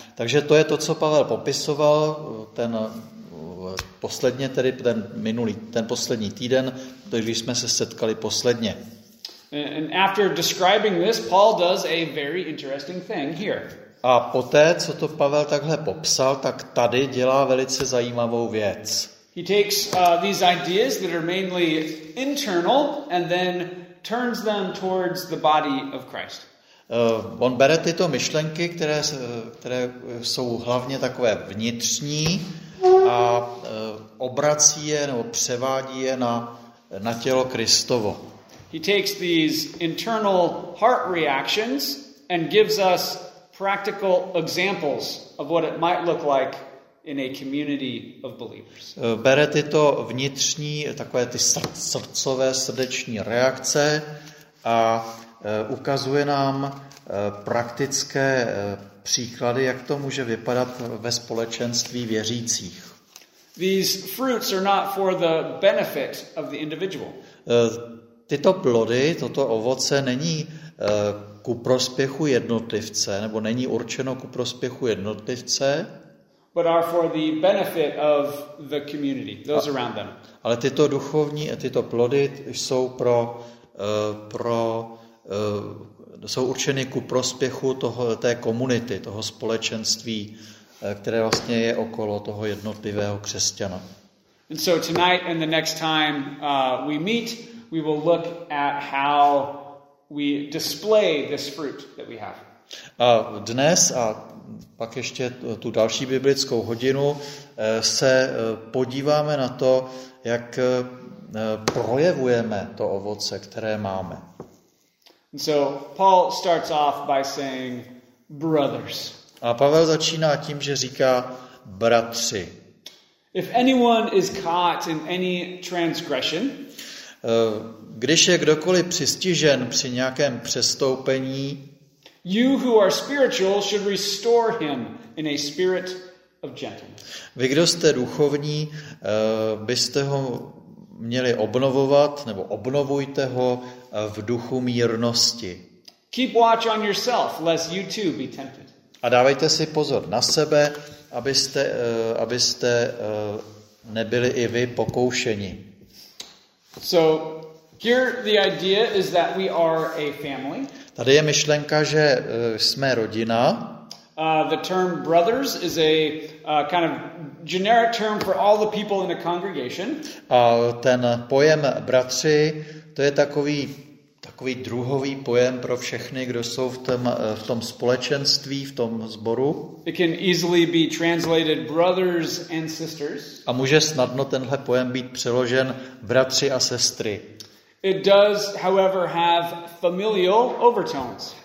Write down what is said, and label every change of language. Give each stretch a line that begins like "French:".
Czech: Takže to je to, co Pavel popisoval ten posledně tedy ten minulý ten poslední týden, když jsme se setkali posledně.
English: And after describing this, Paul does a very interesting thing here.
Czech: A poté, co to Pavel takhle popsal, tak tady dělá velice zajímavou věc.
English: He takes these ideas that are mainly internal and then turns them towards the body of Christ.
Czech: On bere tyto myšlenky, které jsou hlavně takové vnitřní, a obrací je nebo převádí je na tělo Kristovo.
English: He takes these internal heart reactions and gives us practical examples of what it might look like in a community of believers.
Czech: Bere tyto vnitřní, takové ty srdcové, srdeční reakce a ukazuje nám praktické příklady, jak to může vypadat ve společenství věřících.
English: These fruits are not for the benefit of the individual.
Czech: Tyto plody, toto ovoce není ku prospěchu jednotlivce, nebo není určeno ku prospěchu jednotlivce.
English: But are for the benefit of the community, those around them.
Czech: Ale tyto duchovní, tyto plody jsou pro jsou určeny ku prospěchu toho, té komunity, toho společenství, které vlastně je okolo toho jednotlivého křesťana.
English: And so tonight and the next time we meet, we will look at how we display this fruit that we have.
Czech: A dnes a pak ještě tu další biblickou hodinu se podíváme na to, jak projevujeme to ovoce, které máme.
English: And so Paul starts off by saying brothers.
Czech: A Pavel začíná tím, že říká bratři.
English: If anyone is caught in any transgression,
Czech: když je kdokoliv přistižen při nějakém přestoupení,
English: you who are spiritual should restore him in a spirit of gentleness.
Czech: Vy, kdo jste duchovní, byste ho měli obnovovat, nebo obnovujte ho v duchu mírnosti.
English: Keep watch on yourself, lest you too be tempted.
Czech: A dávejte si pozor na sebe, abyste nebyli i vy pokoušeni.
English: So here the idea is that we are a family.
Czech: Tady je myšlenka, že jsme rodina.
English: The term brothers is a kind of generic term for all the people in a congregation.
Czech: A ten pojem bratři, to je takový druhový pojem pro všechny, kdo jsou v tom společenství, v tom sboru.
English: It can easily be translated brothers and sisters.
Czech: A může snadno tenhle pojem být přeložen bratři a sestry.
English: It does, however, have familial overtones.